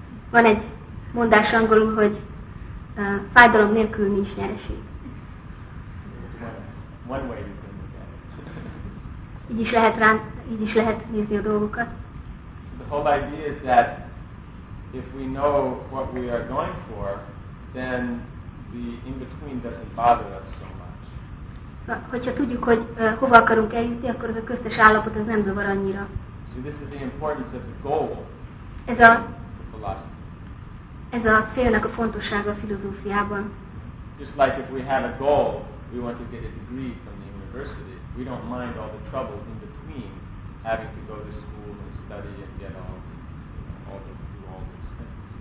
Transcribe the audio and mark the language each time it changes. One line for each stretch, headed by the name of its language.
Hungarian: Van egy mondás angolul, hogy fájdalom nélkül nincs nyereség.
English: One way you can look at it.
Hungarian: Így is lehet nézni a dolgokat.
English: The whole idea is that if we know what we are going for, then the in-between doesn't bother us so much.
Hungarian: Hogyha tudjuk, hogy hova akarunk eljutni, akkor az a köztes állapot az nem zavar annyira.
English: See, this is the importance of the goal.
Hungarian: Ez a célnak a fontossága a filozófiában.
English: Just like if we have a goal, we want to get a degree from the university. We don't mind all the trouble in between having to go to school and study and get all the do all these things.